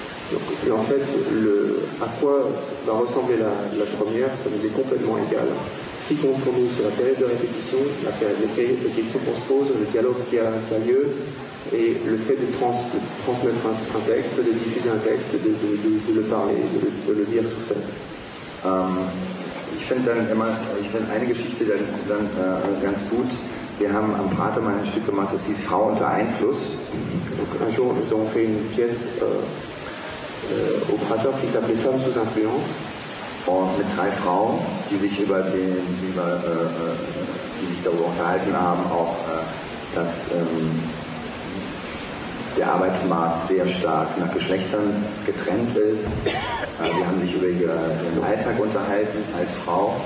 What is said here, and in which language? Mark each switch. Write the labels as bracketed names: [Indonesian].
[French] Et en fait, à quoi va ressembler la première, ça nous est complètement égal. Ce qui compte pour nous, c'est la période de répétition, la période de questions qu'on se pose, le dialogue qui a lieu. Et le fait de transmettre un texte, de diffuser un texte, de le parler, de le dire sur scène. [German] Ich finde dann immer, ich finde eine Geschichte dann ganz gut. Wir haben am Prater mal ein Stück gemacht, das hieß Frau unter Einfluss. [French] Un jour, nous avons fait une pièce au Prater qui s'appelait Femme sous influence. [German] Und mit drei Frauen, die sich über den, die sich darüber unterhalten haben, auch das. Der Arbeitsmarkt sehr stark nach Geschlechtern getrennt ist. Sie haben sich über ihren Alltag unterhalten als Frau.